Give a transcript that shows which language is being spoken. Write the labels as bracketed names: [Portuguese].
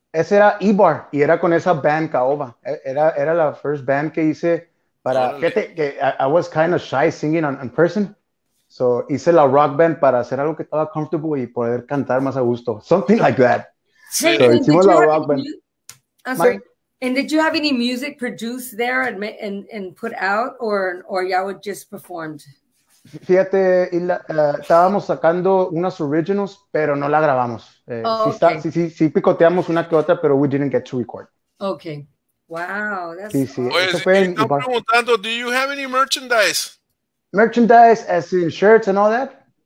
[Spanish] Ese era Ibar, y era con esa band Caoba. Era la first band que hice para... Fíjate, que [English] I was kind of shy singing in person, [Spanish] so hice la rock band para hacer algo que estaba comfortable y poder cantar más a gusto. [English] Something like that. [Spanish] Hey, so hicimos la rock band. [English] And did you have any music produced there and put out, or y'all just performed? [Spanish] Fíjate, estábamos sacando unas originals, pero no la grabamos. Sí, picoteamos una que otra, pero [English] we didn't get to record. Okay. Wow. That's [Spanish] sí, sí. Oye, preguntando, [English] do you have any merchandise? Merchandise, as in shirts and all that?